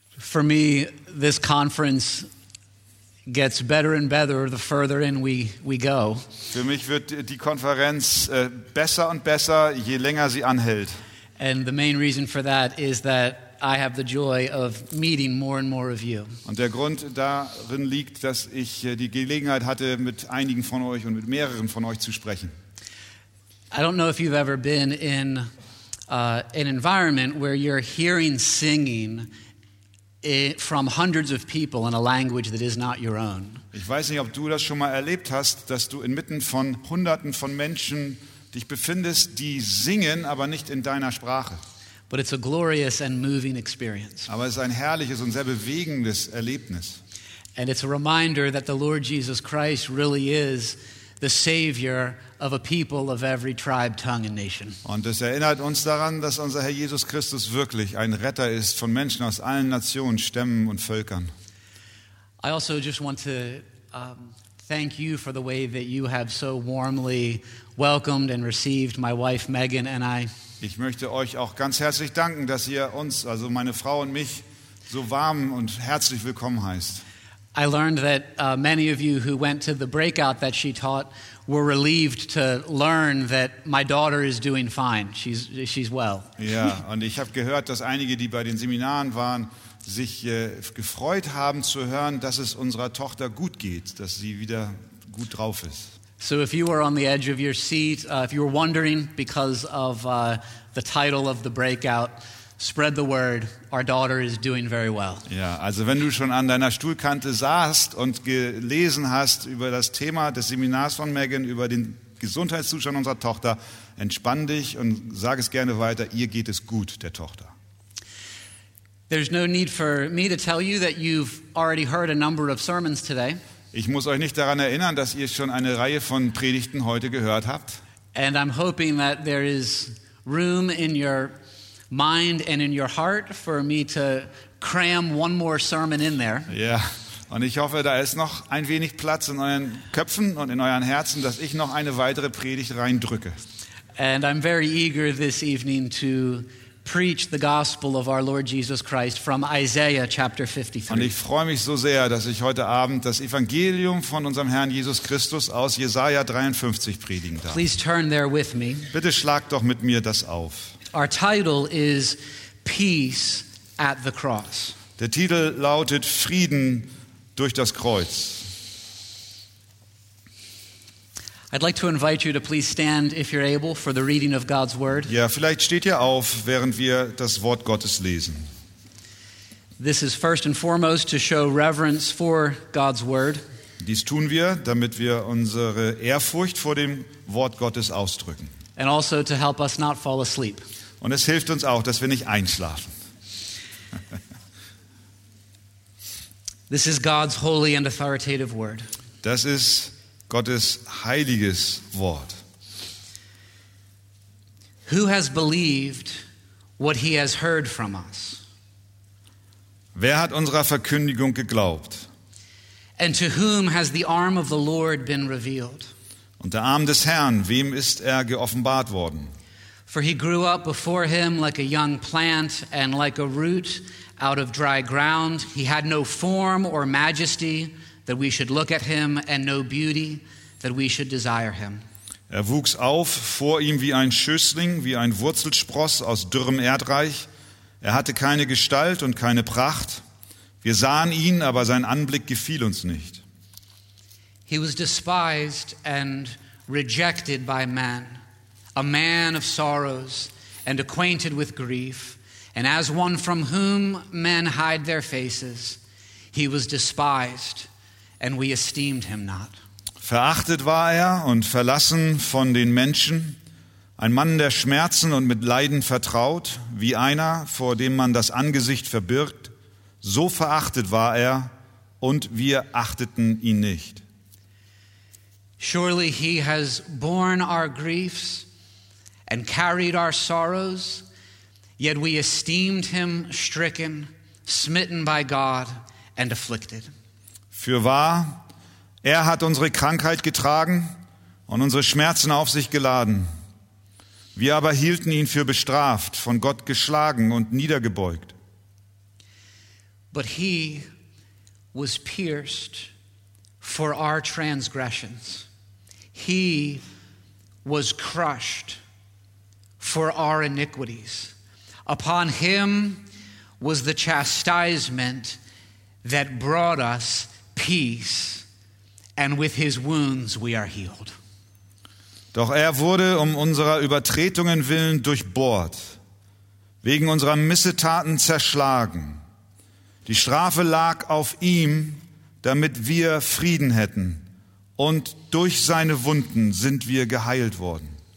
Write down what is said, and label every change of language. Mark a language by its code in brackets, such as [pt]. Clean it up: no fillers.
[en] For me, this conference gets better and better the further in we go. [de] Für mich wird die Konferenz besser und besser, je länger sie anhält. [en] And the main reason for that is that I have the joy of meeting more and more of you. [de] Und der Grund darin liegt, dass ich die Gelegenheit hatte, mit einigen von euch und mit mehreren von euch zu sprechen. [en] I don't know if you've ever been in an environment where you're hearing singing from hundreds of people in a language that is not your own. [de] Ich weiß nicht, ob du das schon mal erlebt hast, dass du inmitten von Hunderten von Menschen dich befindest, die singen, aber nicht in deiner Sprache. [en] But it's a glorious and moving experience. [de] Aber es ist ein herrliches und sehr bewegendes Erlebnis. [en] And it's a reminder that the Lord Jesus Christ really is the Savior of a people of every tribe, tongue and nation. [de] Und es erinnert uns daran, dass unser Herr Jesus Christus wirklich ein Retter ist von Menschen aus allen Nationen, Stämmen und Völkern. [en] I also just want to thank you for the way that you have so warmly welcomed and received my wife Megan and I. [de] Ich möchte euch auch ganz herzlich danken, dass ihr uns, also meine Frau und mich, so warm und herzlich willkommen heißt. [en] I learned that many of you who went to the breakout that she taught were relieved to learn that my daughter is doing fine. She's well. [de] Ja, und ich habe gehört, dass einige, die bei den Seminaren waren, sich gefreut haben zu hören, dass es unserer Tochter gut geht, dass sie wieder gut drauf ist. [en] So if you were on the edge of your seat, if you were wondering because of the title of the breakout, spread the word, our daughter is doing very well. [de] Ja, also wenn du schon an deiner Stuhlkante saßt und gelesen hast über das Thema des Seminars von Megan, über den Gesundheitszustand unserer Tochter, entspann dich und sag es gerne weiter, ihr geht es gut, der Tochter. [en] There's no need for me to tell you that you've already heard a number of sermons today. [de] Ich muss euch nicht daran erinnern, dass ihr schon eine Reihe von Predigten heute gehört habt. [en] And I'm hoping that there is room in your mind and in your heart for me to cram one more sermon in there. Ja, yeah. [de] Und ich hoffe, da ist noch ein wenig Platz in euren Köpfen und in euren Herzen, dass ich noch eine weitere Predigt reindrücke. [en] And I'm very eager this evening to preach the gospel of our Lord Jesus Christ from Isaiah chapter 53. [de] Und ich freue mich so sehr, dass ich heute Abend das Evangelium von unserem Herrn Jesus Christus aus Jesaja 53 predigen darf. [en] Please turn there with me. [de] Bitte schlag doch mit mir das auf. [en] Our title is Peace at the Cross. [de] Der Titel lautet Frieden durch das Kreuz. [en] I'd like to invite you to please stand if you're able for the reading of God's word. [de] Ja, vielleicht steht ihr auf, während wir das Wort Gottes lesen. [en] This is first and foremost to show reverence for God's word. [de] Dies tun wir, damit wir unsere Ehrfurcht vor dem Wort Gottes ausdrücken. [en] And also to help us not fall asleep. [de] Und es hilft uns auch, dass wir nicht einschlafen. [en] This is God's holy and authoritative word. [de] Das ist Gottes heiliges Wort. [en] Who has believed what he has heard from us? [de] Wer hat unserer Verkündigung geglaubt? [en] And to whom has the arm of the Lord been revealed? [de] Und der Arm des Herrn, wem ist geoffenbart worden? [en] For he grew up before him like a young plant and like a root out of dry ground. He had no form or majesty that we should look at him, and no beauty that we should desire him. [de] Er wuchs auf vor ihm wie ein Schößling, wie ein Wurzelspross aus dürrem Erdreich. Er hatte keine Gestalt und keine Pracht. Wir sahen ihn, aber sein Anblick gefiel uns nicht. [en] He was despised and rejected by men, a man of sorrows and acquainted with grief, and as one from whom men hide their faces, he was despised. And we esteemed him not. [de] Verachtet war und verlassen von den Menschen, ein Mann der Schmerzen und mit Leiden vertraut, wie einer, vor dem man das Angesicht verbirgt, so verachtet war und wir achteten ihn nicht. [en] Surely he has borne our griefs and carried our sorrows, yet we esteemed him stricken, smitten by God and afflicted. [de] Fürwahr, hat unsere Krankheit getragen und unsere Schmerzen auf sich geladen. Wir aber hielten ihn für bestraft, von Gott geschlagen und niedergebeugt. [en] But he was pierced for our transgressions. He was crushed for our iniquities. Upon him was the chastisement that brought us peace, and with his wounds we are healed. [de] Doch wurde um unserer Übertretungen willen durchbohrt, wegen unserer Missetaten zerschlagen. Die Strafe lag auf ihm, damit wir Frieden hätten. Und durch seine Wunden sind wir geheilt worden.